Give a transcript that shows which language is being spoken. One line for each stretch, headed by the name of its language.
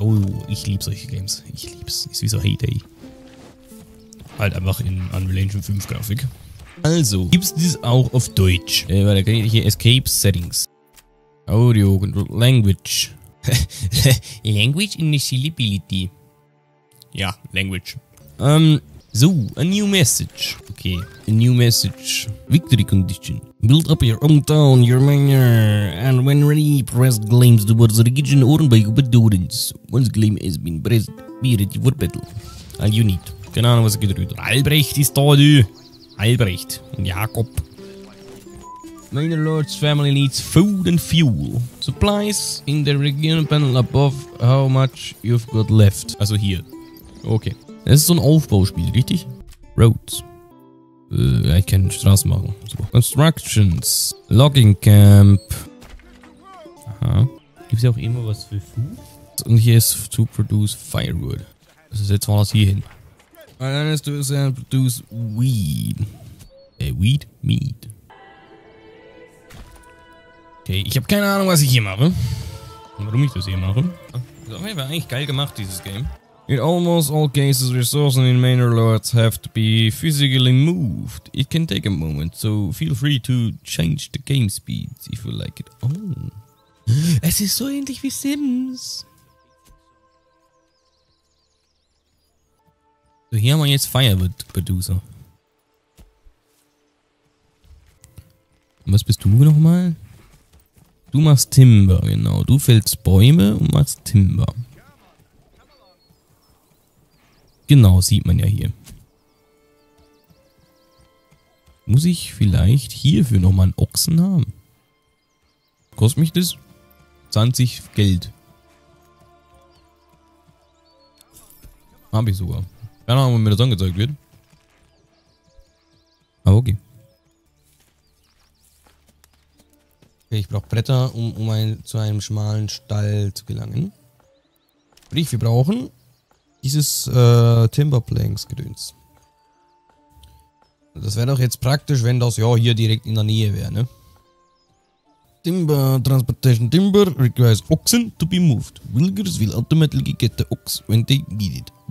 German: Oh, ich liebe solche Games. Ich lieb's. Ist wie so Heyday. Halt einfach in Unreal Engine 5 Grafik. Also, gibt's dies auch auf Deutsch? Warte, kann ich hier Escape Settings.
English: Audio Control Language. Language Initiability. Ja, Language. A new message. Okay, a new message. Victory condition. Build up your own town, your manor. And when ready, press claims towards the region owned by Ubedorens. Once claim has been pressed, be ready for battle. All you need.
German: Keine Ahnung, was er gedrückt hat. Albrecht ist da, du. Albrecht und Jakob.
English: Manor Lord's family needs food and fuel. Supplies in the region panel above how much you've got left.
German: Also hier. Okay. Das ist so ein Aufbauspiel, richtig? Roads. Ich kann Straßen machen. Super. Constructions. Logging Camp. Aha. Gibt es ja auch immer was für Food? Und hier ist
English: to produce firewood.
German: Das ist jetzt mal das hier hin.
English: And then it's to produce weed. Weed? Meat.
German: Okay, ich habe keine Ahnung, was ich hier mache. Warum ich das hier mache. Das war eigentlich geil gemacht, dieses Game.
English: In almost all cases, resources in Manor Lords have to be physically moved. It can take a moment, so feel free to change the game speed if you like it. Oh.
German: Es ist so ähnlich wie Sims. So, hier haben wir jetzt Firewood Producer. Was bist du nochmal? Du machst Timber, genau. Du fällst Bäume und machst Timber. Genau, sieht man ja hier. Muss ich vielleicht hierfür nochmal einen Ochsen haben? Kostet mich das 20 Geld. Hab ich sogar. Keine Ahnung, wenn mir das angezeigt wird. Aber okay. Ich brauche Bretter, zu einem schmalen Stall zu gelangen. Sprich, wir brauchen dieses Timber Planks Gedöns. Das wäre doch jetzt praktisch, wenn das ja hier direkt in der Nähe wäre, ne?
English: Timber Transportation Timber requires Oxen to be moved. Wilgers will automatically get the Ox when they need it.